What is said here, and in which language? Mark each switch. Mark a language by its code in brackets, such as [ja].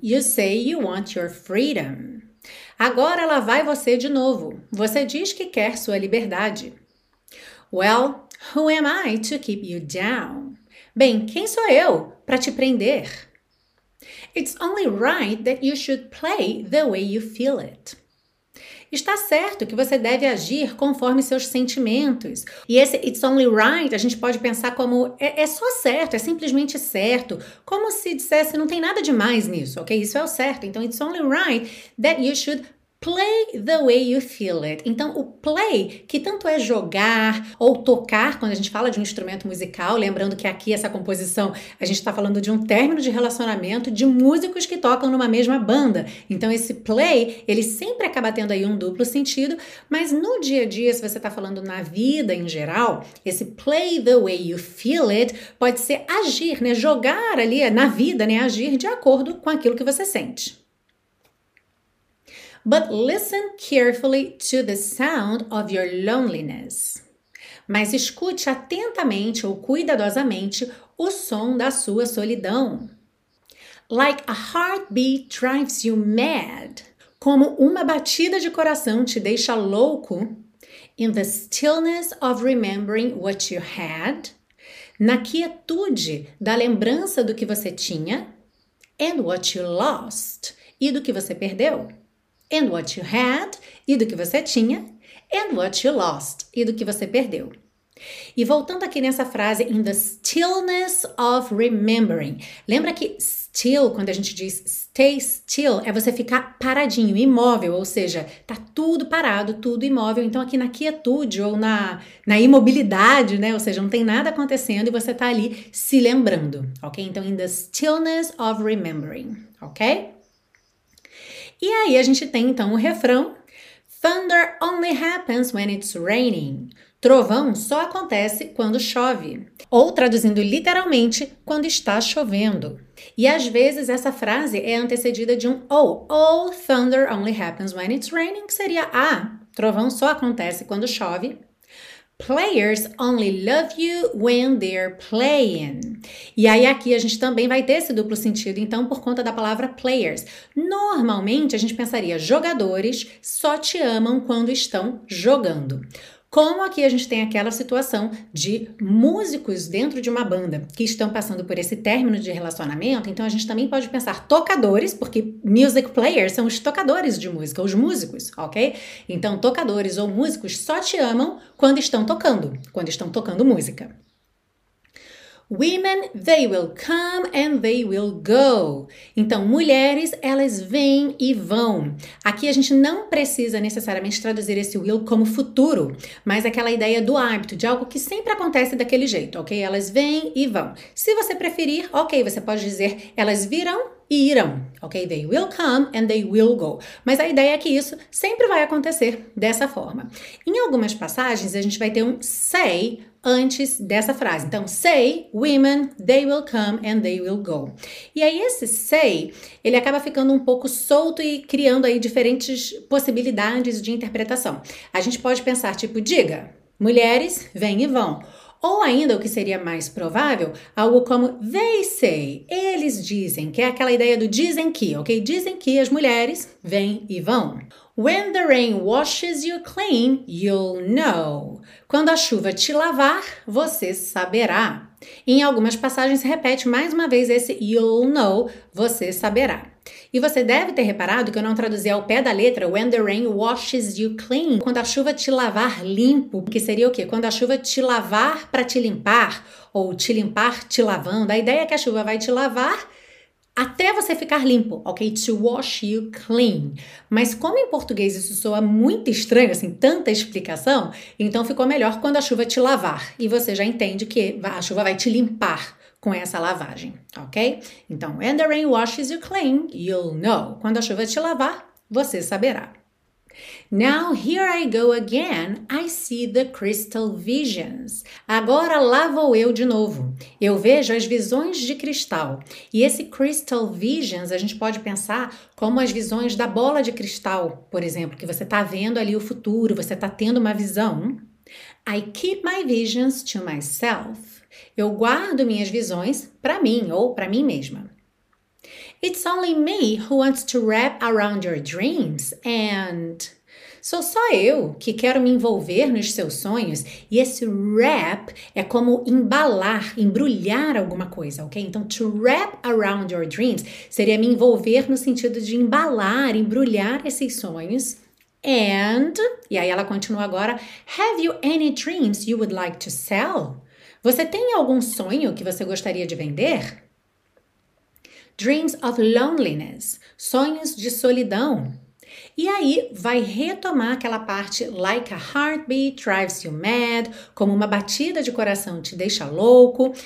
[en] You say you want your freedom. [pt] Agora lá vai você de novo. Você diz que quer sua liberdade. [en] Well, Who am I to keep you down? [pt] Bem, quem sou eu para te prender? [en] It's only right that you should play the way you feel it. [pt] Está certo que você deve agir conforme seus sentimentos. E esse [en] it's only right, [pt] a gente pode pensar como é só certo, é simplesmente certo. Como se dissesse não tem nada demais nisso, ok? Isso é o certo. [en] Então, it's only right that you should play the way you feel it. [pt] Então, o play, que tanto é jogar ou tocar, quando a gente fala de um instrumento musical, lembrando que aqui essa composição, a gente está falando de um término de relacionamento de músicos que tocam numa mesma banda. Então, esse play, ele sempre acaba tendo aí um duplo sentido, mas no dia a dia, se você está falando na vida em geral, esse [en] play the way you feel it [pt] pode ser agir, né? Jogar ali na vida, né? Agir de acordo com aquilo que você sente. [en] But listen carefully to the sound of your loneliness. [pt] Mas escute atentamente ou cuidadosamente o som da sua solidão. [en] Like a heartbeat drives you mad. [pt] Como uma batida de coração te deixa louco. [en] In the stillness of remembering what you had. [pt] Na quietude da lembrança do que você tinha. [en] And what you lost. [pt] E do que você perdeu. [en] And what you had, [pt] e do que você tinha, [en] and what you lost, [pt] e do que você perdeu. E voltando aqui nessa frase, [en] in the stillness of remembering. [pt] Lembra que still, quando a gente diz [en] stay still, [pt] é você ficar paradinho, imóvel, ou seja, tá tudo parado, tudo imóvel. Então aqui na quietude ou na imobilidade, né? Ou seja, não tem nada acontecendo e você tá ali se lembrando, ok? [en] Então in the stillness of remembering, ok? [pt] E aí, a gente tem então o refrão: [en] Thunder only happens when it's raining. [pt] Trovão só acontece quando chove, ou traduzindo literalmente, quando está chovendo. E às vezes essa frase é antecedida de um ou. [en] All thunder only happens when it's raining, [pt] que seria a. Trovão só acontece quando chove. [en] Players only love you when they're playing. [pt] E aí aqui a gente também vai ter esse duplo sentido, então, por conta da palavra players. Normalmente a gente pensaria jogadores só te amam quando estão jogando. Como aqui a gente tem aquela situação de músicos dentro de uma banda que estão passando por esse término de relacionamento, então a gente também pode pensar tocadores, porque [en] music players [pt] são os tocadores de música, os músicos, ok? Então, tocadores ou músicos só te amam quando estão tocando música. [en] Women, they will come and they will go. [pt] Então, mulheres, elas vêm e vão. Aqui a gente não precisa necessariamente traduzir esse will como futuro, mas aquela ideia do hábito, de algo que sempre acontece daquele jeito, ok? Elas vêm e vão. Se você preferir, ok, você pode dizer elas virão e irão, ok? [en] They will come and they will go. [pt] Mas a ideia é que isso sempre vai acontecer dessa forma. Em algumas passagens, a gente vai ter um say antes dessa frase. [en] Então, say, women, they will come and they will go. [pt] E aí, esse say, ele acaba ficando um pouco solto e criando aí diferentes possibilidades de interpretação. A gente pode pensar, tipo, diga, mulheres, vêm e vão. Ou ainda, o que seria mais provável, algo como [en] they say, [pt] eles dizem, que é aquela ideia do dizem que, ok? Dizem que as mulheres vêm e vão. [en] When the rain washes you clean, you'll know. [pt] Quando a chuva te lavar, você saberá. Em algumas passagens, repete mais uma vez esse [en] you'll know, [pt] você saberá. E você deve ter reparado que eu não traduzi ao pé da letra [en] when the rain washes you clean, [pt] quando a chuva te lavar limpo, que seria o quê? Quando a chuva te lavar para te limpar, ou te limpar te lavando. A ideia é que a chuva vai te lavar até você ficar limpo, ok? [en] To wash you clean. [pt] Mas como em português isso soa muito estranho, assim, tanta explicação, então ficou melhor quando a chuva te lavar. E você já entende que a chuva vai te limpar com essa lavagem, ok? [en] Então, when the rain washes you clean, you'll know. [pt] Quando a chuva te lavar, você saberá. [en] Now here I go again, I see the crystal visions. [pt] Agora lá vou eu de novo. Eu vejo as visões de cristal. E esse [en] crystal visions [pt] a gente pode pensar como as visões da bola de cristal, por exemplo, que você está vendo ali o futuro, você está tendo uma visão. [en] I keep my visions to myself. [pt] Eu guardo minhas visões para mim ou para mim mesma. [en] It's only me who wants to wrap around your dreams and. [pt] Sou só eu que quero me envolver nos seus sonhos. E esse wrap é como embalar, embrulhar alguma coisa, ok? Então, [en] to wrap around your dreams [pt] seria me envolver no sentido de embalar, embrulhar esses sonhos. And. E aí ela continua agora. [en] Have you any dreams you would like to sell? [pt] Você tem algum sonho que você gostaria de vender? [en] Dreams of loneliness, [pt] sonhos de solidão. E aí vai retomar aquela parte [en] like a heartbeat drives you mad, [pt] como uma batida de coração te deixa louco.